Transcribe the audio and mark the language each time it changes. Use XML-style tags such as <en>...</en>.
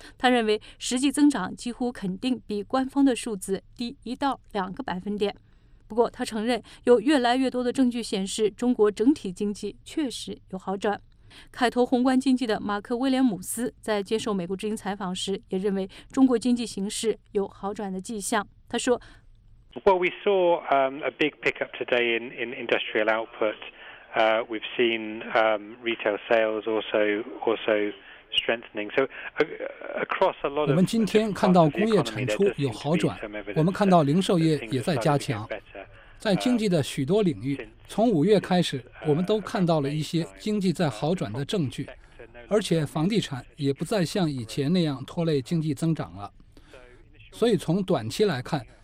<zh>他认为实际增长几乎肯定比官方的数字低1到2个百分点。不过他承认，有越来越多的证据显示中国整体经济确实有好转。凯投宏观经济的马克·威廉姆斯在接受美国之音采访时也认为中国经济形势有好转的迹象。他说，</zh> <en>Well, we saw a big pickup today in industrial output. We've seen retail sales also strengthening. So across a lot of</en> <zh>我们今天看到工业产出有好转，我们看到零售业也在加强。在经济的许多领域，从五月开始，我们都看到了一些经济在好转的证据，而且房地产也不再像以前那样拖累经济增长了。所以从短期来看，</zh>